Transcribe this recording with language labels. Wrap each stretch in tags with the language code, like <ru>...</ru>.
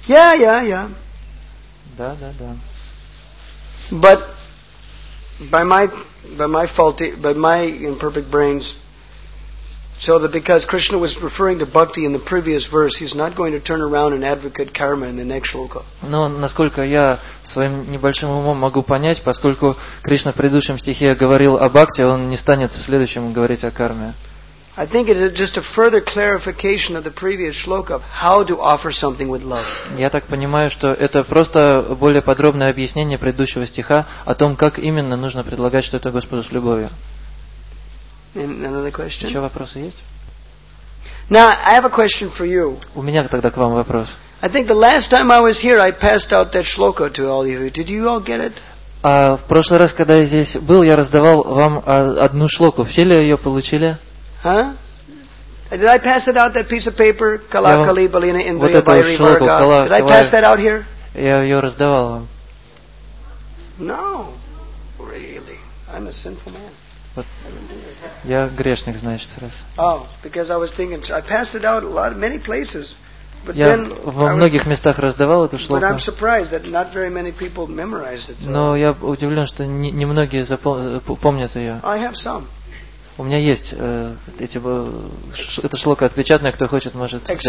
<en>Yeah.</en> <ru>Da.</ru> <en>But by my imperfect brains. So that because Krishna was referring to bhakti in the previous verse, he's not going to turn around and advocate karma in the next shloka.</en> <ru>Но насколько я своим небольшим умом могу понять, поскольку Кришна в предыдущем стихе говорил о бхакти, он не станет в следующем говорить о карме.</ru> <en>I think it is just a further clarification of the previous shloka of how to offer something with love.</en> <ru>Я так понимаю, что это просто более подробное объяснение предыдущего стиха о том, как именно нужно предлагать что-то Господу с любовью.</ru> <en>Another question?</en> <ru>Еще вопросы есть?</ru> <en>Now, I have a question for you.</en> <ru>У меня тогда к вам вопрос.</ru> <en>I think the last time I was here, I passed out that shloka to all of you. Did you all get it?</en> <ru>В прошлый раз, когда я здесь был, я раздавал вам одну шлоку. Все ли ее получили? Huh?</ru> <en>Did I pass it out, that piece of paper? Калакали, Балина, Индрия,</en> <ru>Байри, Варга. Вот эту шлоку, Калакали.</ru> <en>Did I pass that out here?</en> <ru>Я ее раздавал вам.</ru> <en>No. Really. I'm a sinful man.</en> <ru>Я грешник, значит, раз.</ru> <en>Oh, because I was thinking, I passed it out a lot, many places. But</en> <ru>я во многих местах раздавал эту шлоку.</ru> <en>But I'm surprised that not very many people memorized it.</en> <ru>Но я удивлен, что немногие помнят ее.</ru> <en>I have some.</en> <ru>У меня есть эта шлока отпечатанная, кто хочет, может.</ru>